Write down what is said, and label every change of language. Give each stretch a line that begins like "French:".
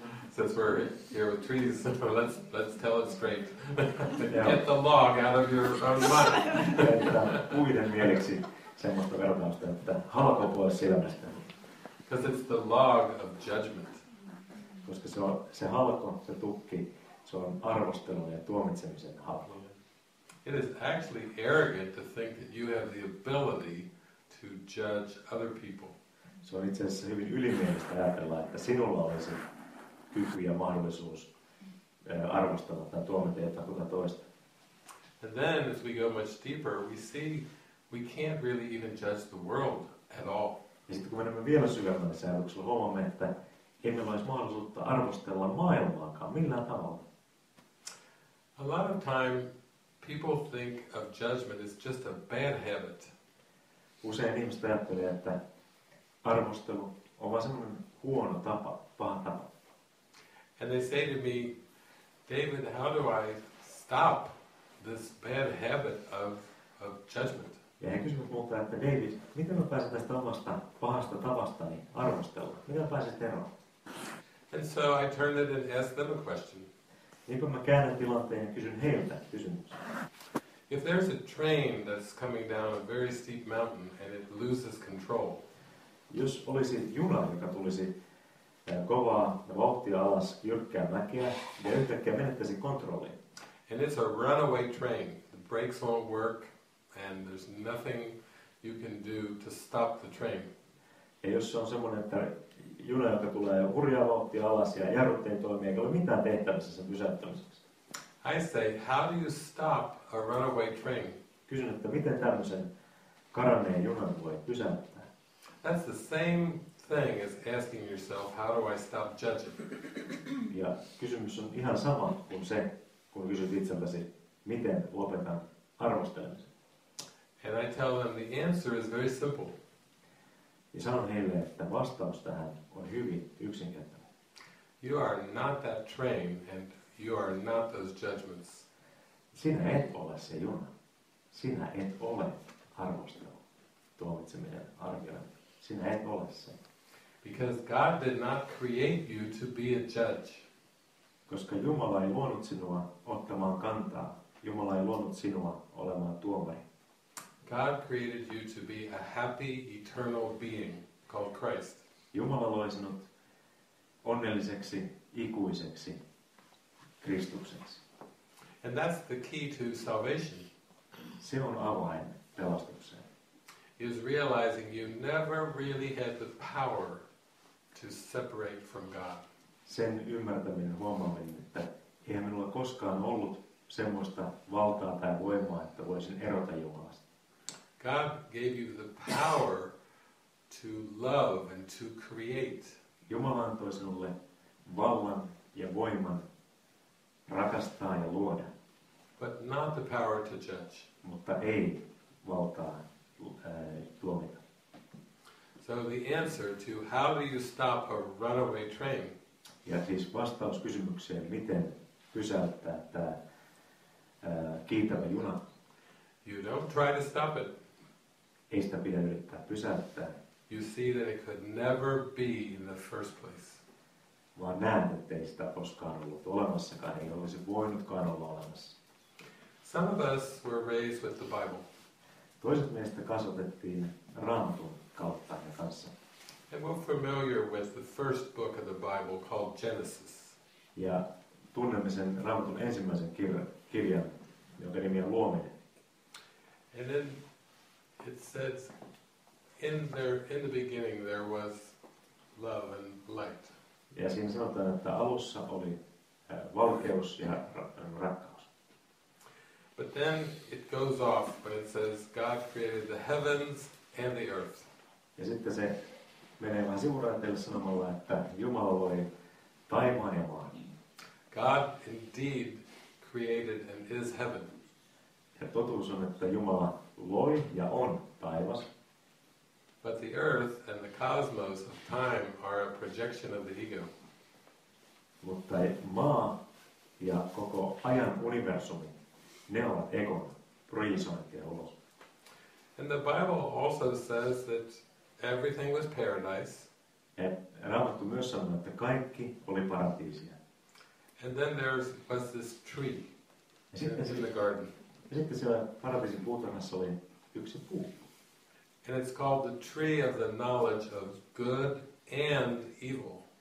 English: Since we're here with trees, let's tell it straight. Get the log out of your own mind.
Finnish: Että puiden mieleksi semmoista vertausta, että halko pois silmästä.
English: Because it's the log of judgment.
Finnish: Koska se on se halko, se tukki, se on arvostelun ja tuomitsemisen halko.
English: It is actually arrogant to think that you have the ability to judge other people.
Finnish: Se on itse asiassa hyvin ylimielistä ajatella, että sinulla olisi kyky ja mahdollisuus arvostella tai tuomita jotakuta toista.
English: And then as we go much deeper, we see we can't really even judge the world at all.
Finnish: Ja sitten kun menemme vielä syvemmälle säädöksellä, huomaamme, että emme olisi mahdollisuutta arvostella maailmaakaan millään tavalla.
English: A lot of time people think of judgment as just a bad habit.
Finnish: Usein ihmiset ajattelee, että arvostelu on vain semmoinen huono tapa, paha tapa.
English: And they say to me, David, how do I stop this bad habit of judgment?
Finnish: Ja he kysyvät multa, että David, miten mä pääsen tästä omasta pahasta tavastani arvostella? Miten mä pääsen eroon?
English: And so I turned it and asked them a question.
Finnish: Niinpä mä käännän tilanteen ja kysyn heiltä kysymyksen.
English: If there's a train that's coming down a very steep mountain and it loses control.
Finnish: Jos olisi juna, joka tulisi kovaa vauhtia alas jyrkkää mäkeä ja yhtäkkiä menettäisi kontrolli.
English: And it's a runaway train. The brakes won't work and there's nothing you can do to stop the train.
Finnish: Ja jos se on semmoinen, että juna, joka tulee hurjaa vauhtia alas ja jarrut ei toimi, eikä ole mitään tehtävissä sen pysäyttämiseksi.
English: I say, how do you stop a runaway train?
Finnish: Kysyn, että miten tämmöisen karanneen junan voi pysäyttää?
English: That's the same thing as asking yourself, how do I stop judging?
Finnish: Ja kysymys on ihan sama kuin se, kun kysyt itseltäsi, miten lopetan arvostelemisen.
English: And I tell them the answer is very simple.
Finnish: Ja sanon heille, että vastaus tähän on hyvin yksinkertainen.
English: You are not that train and you are not those judgments.
Finnish: Sinä et ole se juna. Sinä et ole arvostelu, tuomitseminen, arviointi. Sinä et ole se.
English: Because God did not create you to be a judge.
Finnish: Koska Jumala ei luonut sinua ottamaan kantaa. Jumala ei luonut sinua olemaan tuomari.
English: God created you to be a happy, eternal being called Christ.
Finnish: Jumala loi sinut onnelliseksi, ikuiseksi Kristukseksi.
English: And that's the key to salvation.
Finnish: Se on avain pelastukseen.
English: Is realizing you never really had the power to separate from God.
Finnish: Sen ymmärtäminen, huomaaminen, että eihän minulla koskaan ollut semmoista valtaa tai voimaa, että voisin erota Jumalasta.
English: God gave you the power to love and to create.
Finnish: Jumala antoi sinulle vallan ja voiman rakastaa ja luoda.
English: But not the power to judge.
Finnish: Mutta ei valtaa tuomita.
English: So the answer to how do you stop a runaway train?
Finnish: Ja siis vastaus kysymykseen, miten pysäyttää tämä kiitävä juna?
English: You don't try to stop it.
Finnish: Ei sitä pidä yrittää pysäyttää.
English: You see that it could never be in the first place.
Finnish: Vaan näet, ettei sitä koskaan ollut olemassakaan, ei olisi voinutkaan olla olemassa.
English: Some of us were raised with the Bible.
Finnish: Toiset meistä kasvatettiin Raamatun kautta ja kanssa.
English: And we're familiar with the first book of the Bible called Genesis.
Finnish: Ja tunnemme sen Raamatun ensimmäisen kirjan, jonka nimi on Luominen.
English: And then it says, in the beginning there was love and light.
Finnish: Ja siinä sanotaan, että alussa oli valkeus ja rakkaus.
English: But then it goes off when it says God created the heavens and the earth.
Finnish: Ja sitten se menee vähän sivuraiteille sanomalla, että Jumala loi taivaan ja maan.
English: God indeed created and is heaven.
Finnish: Ja totuus on, että Jumala loi ja on taivas.
English: But the earth and the cosmos of time are a projection of the ego.
Finnish: Mutta maa ja koko ajan universumi, ne ovat egon projisointia ulos.
English: And the Bible also says that everything was paradise.
Finnish: Raamattu myös sanoo, että kaikki oli paratiisia.
English: And then there was this tree in the garden.
Finnish: Ja sitten siellä paratiisin puutarhassa oli yksi puu.
English: And it's called the tree of the knowledge of good and evil.